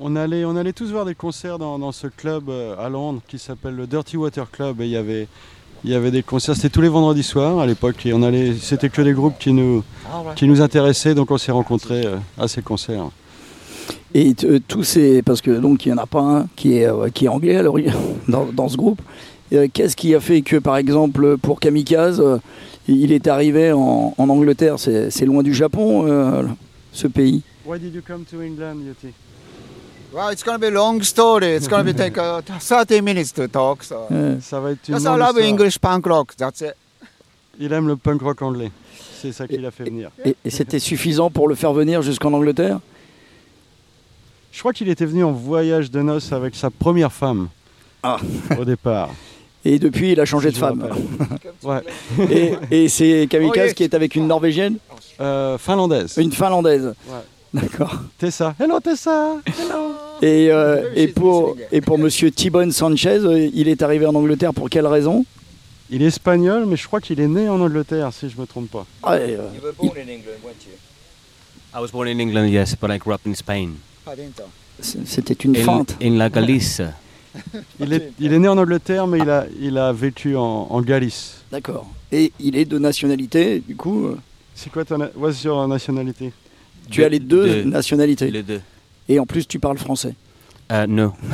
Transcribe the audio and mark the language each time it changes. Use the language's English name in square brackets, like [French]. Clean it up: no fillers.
[French] On allait tous voir des concerts dans ce club à Londres qui s'appelle le Dirty Water Club, et il y avait des concerts, c'était tous les vendredis soirs à l'époque, et c'était que des groupes qui nous intéressaient, donc on s'est rencontrés à ces concerts. Et tous ces, parce que donc il n'y en a pas un qui est anglais alors, dans ce groupe, qu'est-ce qui a fait que par exemple pour Kamikaze, il est arrivé en Angleterre, c'est loin du Japon ce pays. [English] Why did you come to England, Yeti? Well, it's going to be a long story. It's going to take 30 minutes to talk. So. [French] Ouais. Ça va être une longue histoire. [English] I love English punk rock, that's it. [French] Il aime le punk rock anglais. C'est ça qui l'a fait venir. Et c'était suffisant pour le faire venir jusqu'en Angleterre ? Je crois qu'il était venu en voyage de noces avec sa première femme au départ. Et depuis, il a changé de femme. Ouais. Et c'est Kamikaze qui est avec une Norvégienne ? Finlandaise. Une Finlandaise. Ouais. D'accord. [English] Tessa. Hello Tessa. Hello. [French] Et pour monsieur T-Bone Sanchez, il est arrivé en Angleterre pour quelle raison ? Il est espagnol, mais je crois qu'il est né en Angleterre, si je ne me trompe pas. Ah, [English] you were born in England, weren't you? I was born in England, yes, but I grew up in Spain. [French] C'était une feinte. [English] In La Galice. [French] il est né en Angleterre, mais il a vécu en Galice. D'accord. Et il est de nationalité, du coup ? C'est quoi [English] what's your nationality ? [French] Tu as les deux nationalités. Les deux. Et en plus, tu parles français. [English] No.